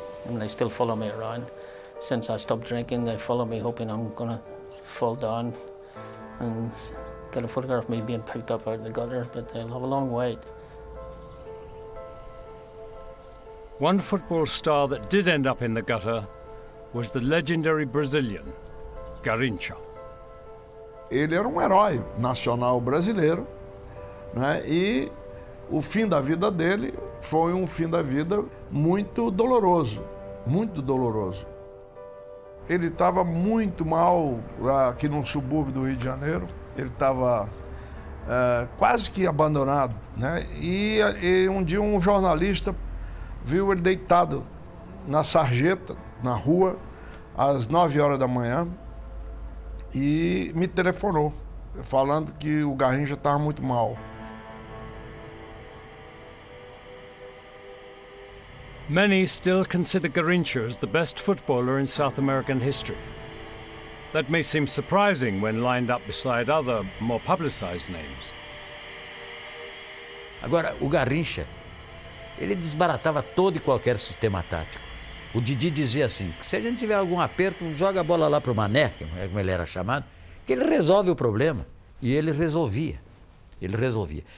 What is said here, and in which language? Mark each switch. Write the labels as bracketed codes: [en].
[en] And they still follow me around. Since I stopped drinking, they follow me hoping I'm going to fall down and get a photograph of me being picked up out of the gutter, but they'll have a long wait. One football star that did end up in the gutter was the legendary Brazilian, Garrincha. [pt] Ele era um herói nacional brasileiro, né? E o fim da vida dele foi um fim da vida muito doloroso, muito doloroso. Ele estava muito mal aqui num subúrbio do Rio de Janeiro. Ele estava quase que abandonado, né? E um dia um jornalista viu ele deitado na sarjeta, na rua, às 9 horas da manhã, e me telefonou, falando que o Garrincha estava muito mal. [en] Many still consider Garrincha as the best footballer in South American history. That may seem surprising when lined up beside other, more publicized names. [pt] Agora, o Garrincha, ele desbaratava todo e qualquer sistema tático. O Didi dizia assim, se a gente tiver algum aperto, joga a bola lá para o Mané, como ele era chamado, que ele resolve o problema. E ele resolvia. Ele resolvia.